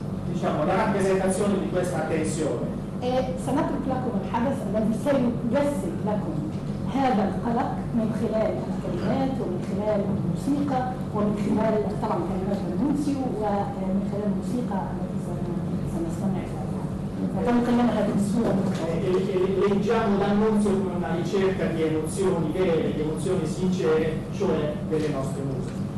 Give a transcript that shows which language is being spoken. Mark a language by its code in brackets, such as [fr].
[it] diciamo la rappresentazione di questa tensione. [ar] E سنترك لكم الحدث الذي سيجسد لكم هذا القلق من خلال الكلمات ومن خلال الموسيقى ومن خلال طبعا كلمات المنسيو ومن خلال الموسيقى التي سنستمع لها. وتنقل لنا هذه الصورة. [it] Leggiamo l'annunzio come una ricerca di emozioni vere, di emozioni sincere, cioè delle nostre musiche.